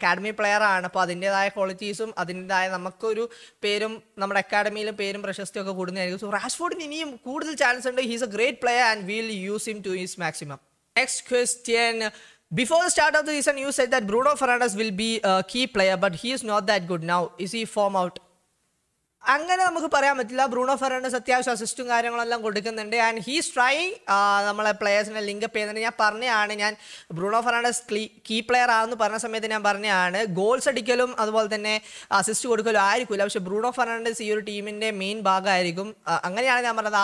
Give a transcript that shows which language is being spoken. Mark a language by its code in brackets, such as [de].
[ml] Academy പ്ലെയറാണ്, അപ്പോൾ അതിൻ്റെതായ ക്വാളിറ്റീസും അതിൻ്റെതായ നമുക്കൊരു പേരും നമ്മുടെ അക്കാഡമിയിലും പേരും പ്രശസ്തിയും ഒക്കെ കൂടുന്നതായിരിക്കും. സോ റാഷ്ഫോർഡിന് ഇനിയും കൂടുതൽ ചാൻസ് ഉണ്ട്. [en] He's a great player and will use him to his maximum. Next question. Before the start of the season, you said that Bruno Fernandes will be a key player, but he is not that good now. Is he form out? [ml] അങ്ങനെ നമുക്ക് പറയാൻ പറ്റില്ല. Bruno Fernandes അത്യാവശ്യം അസിസ്റ്റും കാര്യങ്ങളെല്ലാം കൊടുക്കുന്നുണ്ട്. [en] and he's trying, [ml] നമ്മളെ പ്ലെയേഴ്സിനെ linkup ചെയ്യുന്നുണ്ട്. ഞാൻ പറഞ്ഞതാണ്, ഞാൻ ബ്രൂണോ ഫെർണാണ്ടസ് കീ പ്ലെയർ ആണെന്ന് പറഞ്ഞ സമയത്ത് ഞാൻ പറഞ്ഞതാണ്, ഗോൾസ് അടിക്കലും അതുപോലെ തന്നെ അസിസ്റ്റ് കൊടുക്കലും ആയിരിക്കില്ല, പക്ഷേ ബ്രൂണോ ഫെർണാണ്ടസ് ഈ ഒരു ടീമിൻ്റെ മെയിൻ ഭാഗമായിരിക്കും. അങ്ങനെയാണ് ഞാൻ പറഞ്ഞത്.